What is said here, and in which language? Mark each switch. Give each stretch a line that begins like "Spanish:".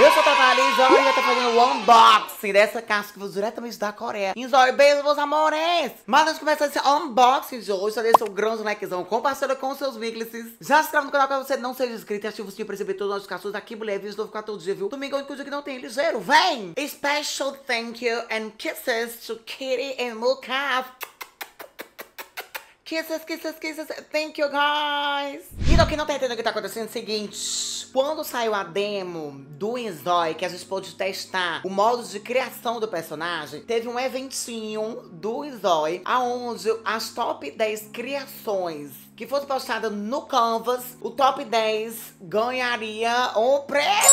Portuguese: Eu sou a Tatá Lizoy e eu tô fazendo o unboxing dessa caixa que veio diretamente da Coreia. Enzoy, beijo, meus amores. Mas antes de começar esse unboxing de hoje, já deixa um grande likezão, compartilha com seus vínculos. Já se inscreve no canal caso você não seja inscrito e ativa o sininho pra receber todas as notificações. Aqui, mulher, vídeo novo ficar todo dia, viu? Domingo é o único dia que não tem, ligeiro, vem!
English: Special thank you and kisses to Kitty and Luca. Kisses, kisses, kisses. Thank you, guys.
Portuguese: Então, quem não tá entendendo o que tá acontecendo, é o seguinte. Quando saiu a demo do Enzoy, que a gente pôde testar o modo de criação do personagem, teve um eventinho do Enzoy, aonde as top 10 criações que fossem postadas no Canvas, o top 10 ganharia um prêmio!